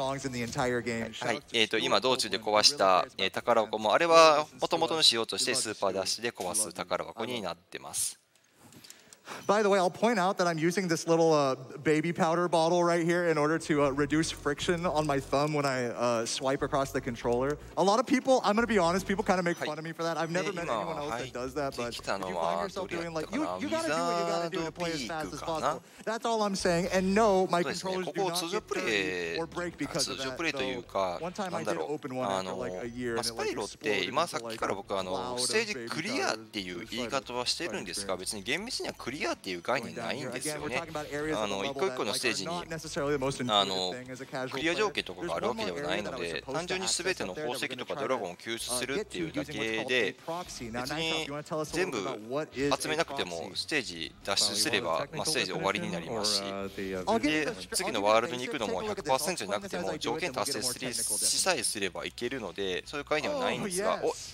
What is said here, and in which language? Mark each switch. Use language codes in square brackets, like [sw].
[ja] はい、今道中で壊した、宝箱もあれは元々の仕様としてスーパーダッシュで壊す宝箱になってます。 [en] By the way, I'll point out that I'm using this little baby powder bottle right here in order to reduce friction on my thumb when I swipe across the controller. A lot of people, I'm going to be honest, people kind of make fun of me for that. I've never met anyone else that does that, but if you find yourself doing like, you got to do what you got to do to play as fast as possible. That's all I'm saying. And no, my controllers do not get dirty or break because of that. So, one time I did open one after like a year and it like exploded into like a loud of baby powder. I'm going to be honest, people kind of make fun of me for that. I've never met anyone else that does that, but. [ja] クリアっていう概念ないんですよね。あの一個一個のステージにあのクリア条件とかがあるわけではないので、単純に全ての宝石とかドラゴンを救出するっていうだけで、別に全部集めなくてもステージ脱出すればまあステージ終わりになりますし、で次のワールドに行くのも 100% じゃなくても条件達成しさえすればいけるので、そういう概念はないんですが、お